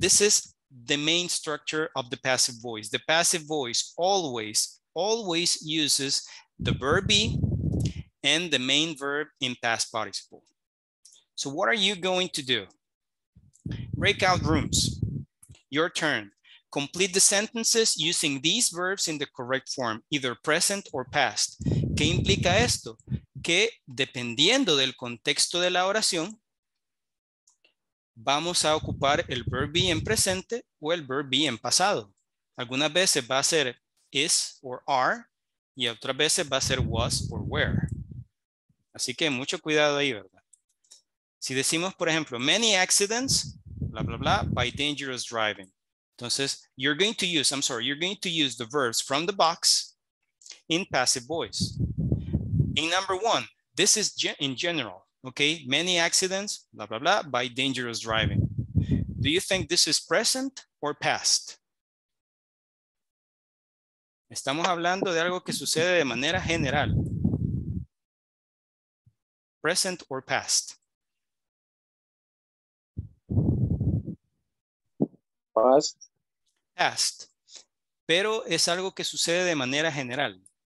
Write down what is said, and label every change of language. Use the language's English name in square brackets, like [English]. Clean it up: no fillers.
[English] This is the main structure of the passive voice. The passive voice always, always uses the verb be and the main verb in past participle. So what are you going to do? Breakout rooms, your turn. Complete the sentences using these verbs in the correct form, either present or past. [Spanish] ¿Qué implica esto? Que dependiendo del contexto de la oración, vamos a ocupar el verb be en presente o el verb be en pasado. Algunas veces va a ser is or are, y otras veces va a ser was or were. Así que mucho cuidado ahí, ¿verdad? Si decimos, por ejemplo, [English] many accidents, bla, bla, bla, by dangerous driving. Entonces, you're going to use, I'm sorry, you're going to use the verbs from the box in passive voice. In number one, this is in general, okay? Many accidents, bla, bla, bla, by dangerous driving. Do you think this is present or past? [Spanish] Estamos hablando de algo que sucede de manera general. [English] Present or past? Past. Past. [Spanish] Pero es algo que sucede de manera general.